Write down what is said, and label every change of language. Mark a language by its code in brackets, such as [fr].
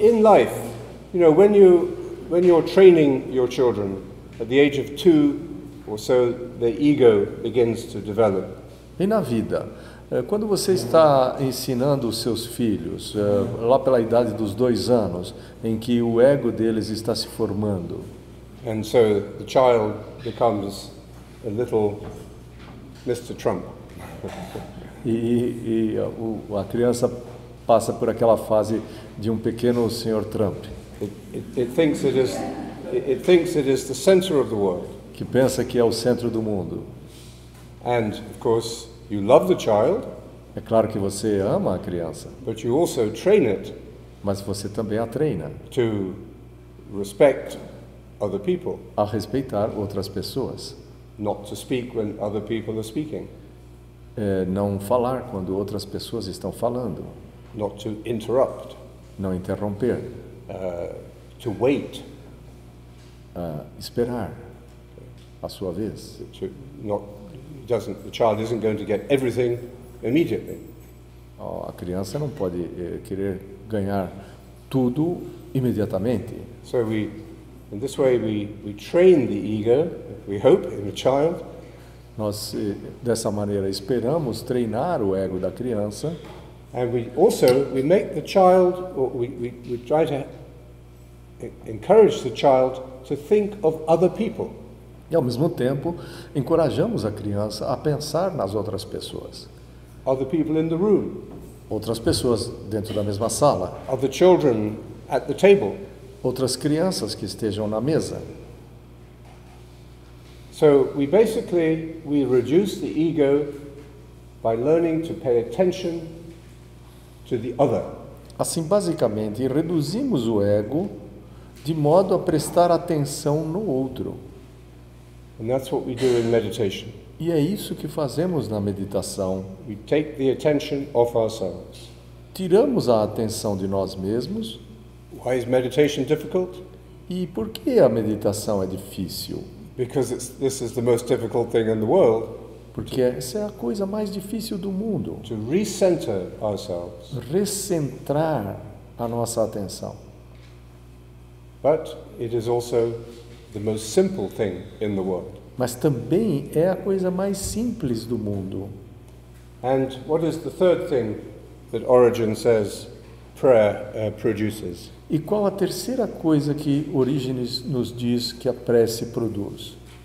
[en] In life, you know, when you're training your children at the age of 2 or so, their ego begins to develop. [pt] E na vida, quando você está ensinando os seus filhos, lá pela idade dos 2 anos, em que o ego deles está se formando. [en] And so the child becomes a little Mr. Trump. [pt] E a criança passa por aquela fase de um pequeno senhor Trump. [en] It thinks it is the center of the world. [pt] Que pensa que é o centro do mundo. [en] And of course, you love the child. [pt] É claro que você ama a criança. [en] But you also train it. [pt] Mas você também a treina. [en] To respect other people. [pt] A respeitar outras pessoas. [en] Not to speak when other people are speaking. [pt] Não falar quando outras pessoas estão falando. [en] Not to interrupt. [pt] Não interromper. [en] To wait. [pt] Esperar a sua vez. [en] The child isn't going to get everything immediately. [pt] A criança não pode querer ganhar tudo imediatamente. [en] So we, in this way, we train the ego, we hope, in the child. [pt] Nós, dessa maneira, esperamos treinar o ego da criança. [en] And we also, we make the child, or we try to encourage the child to think of other people. [pt] E, ao mesmo tempo, encorajamos a criança a pensar nas outras pessoas. [en] Other people in the room. [pt] Outras pessoas dentro da mesma sala. [en] Other children at the table. [pt] Outras crianças que estejam na mesa. [en] So we basically we reduce the ego by learning to pay attention to the other. [pt] Assim, basicamente, reduzimos o ego de modo a prestar atenção no outro. [en] And that's what we do in meditation. [pt] E é isso que fazemos na meditação. [en] We take the attention off ourselves. [pt] Tiramos a atenção de nós mesmos. [en] Why is meditation difficult? [pt] E por que a meditação é difícil? [en] Because this is the most difficult thing in the world. [pt] Porque essa é a coisa mais difícil do mundo. [en] To recenter ourselves. [pt] Recentrar a nossa atenção. [en] But it is also the most simple thing in the world. [pt] Mas também é a coisa mais simples do mundo. [en] And what is the third thing that Origen says prayer produces? [pt] E qual a terceira coisa que Orígenes nos diz que a prece produz?